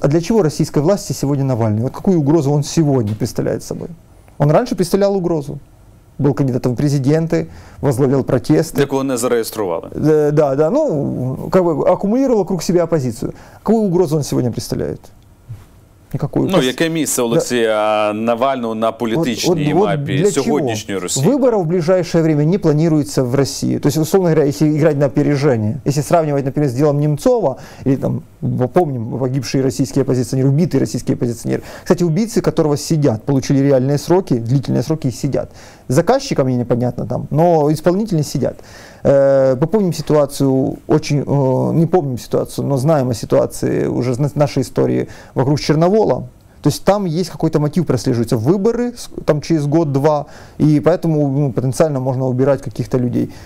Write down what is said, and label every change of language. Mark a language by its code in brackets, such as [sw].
[ru] А для чего российской власти сегодня Навальный? Вот какую угрозу он сегодня представляет собой? Он раньше представлял угрозу. Был кандидатом в президенты, возглавлял протесты. Так он не зарегистрировал. Да. Ну, как бы аккумулировал вокруг себя оппозицию. Какую угрозу он сегодня представляет? Никакую. [uk] Ну, яке місце Олексія Навального на політичній мапі сьогоднішньої Росії? Виборів [ru] в ближайшее время [uk] не планується в Росії. Тобто, условно говоря, якщо грати на опережение, якщо сравнювати, наприклад, з ділом Немцова, і там, помнимо, погибший російський опозиціонер, убитий російський опозиціонер. [ru] Кстати, убийцы, которого сидят, получили реальные сроки, длительные сроки, и сидят. Заказчикам мне непонятно там, но исполнители сидят. Попомним ситуацию, не помним ситуацию, но знаем о ситуации уже в нашей истории вокруг Черновола. То есть там есть какой-то мотив прослеживается. Выборы там через год-два, и поэтому потенциально можно убирать каких-то людей.